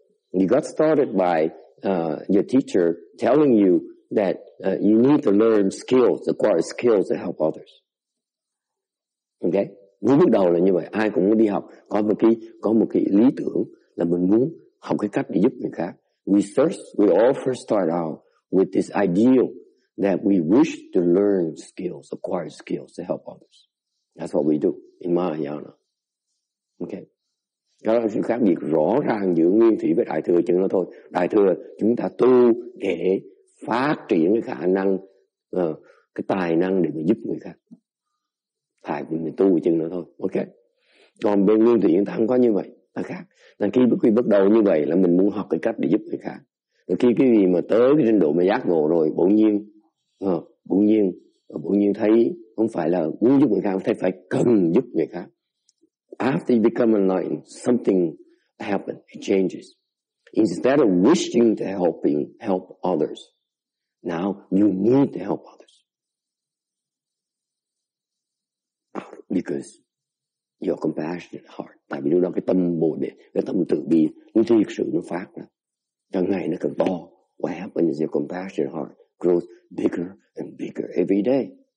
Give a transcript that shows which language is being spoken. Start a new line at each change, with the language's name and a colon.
English: You got started by your teacher telling you that you need to learn skills, acquire skills to help others.
Vietnamese: Okay? Bước đầu là như vậy. Ai cũng muốn đi học, có một cái lý tưởng là mình muốn học cái cách để giúp người khác.
English: We all first start out with this ideal that we wish to learn skills, acquire skills to help others. That's what we do in Mahayana. Okay.
Vietnamese: Cái đó là sự khác biệt rõ ràng giữa nguyên thủy với đại thừa chứ nó thôi. Đại thừa chúng ta tu để phát triển cái khả năng, cái tài năng để mà giúp người khác. Thầy mình tu chứ nó thôi. Okay. Còn bên nguyên thủy chúng ta không có như vậy. Là khác. Là khi quý vị bắt đầu như vậy là mình muốn học cái cách để giúp người khác. Rồi khi quý vị mà tới cái trình độ mà giác ngộ rồi, bỗng nhiên thấy không phải là muốn giúp người khác, không phải cần giúp người khác.
English: After you become enlightened, something happens, it changes. Instead of wishing to help others, now you need to help others. Because your compassionate heart.
Vietnamese: Tại vì lúc đó cái tâm bồ đề, cái tâm từ bi, nó thiệt sự nó phát ra. Càng ngày nó càng to.
English: What happens is your compassionate heart grows bigger and bigger every day.